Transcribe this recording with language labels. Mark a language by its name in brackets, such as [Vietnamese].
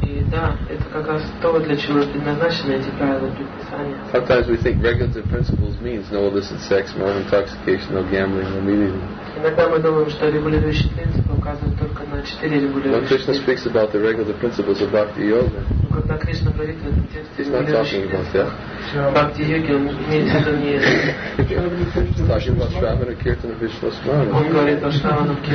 [Russian] Да, это как раз то, для чего предназначены эти правила предписания. [English] Sometimes we think regulative principles means no illicit sex, no intoxication, no gambling, no meeting. [Russian] Иногда мы думаем, что регулирующие принципы указывают только на четыре регулирующие. [English] When Krishna speaks about the regulative principles of bhakti yoga. [Russian] Когда Кришна говорит в этом тексте регулирующие принципы. Бхакти йоги он имеет в виду не это. Он говорит о шравана, киртана, вишна, смарана.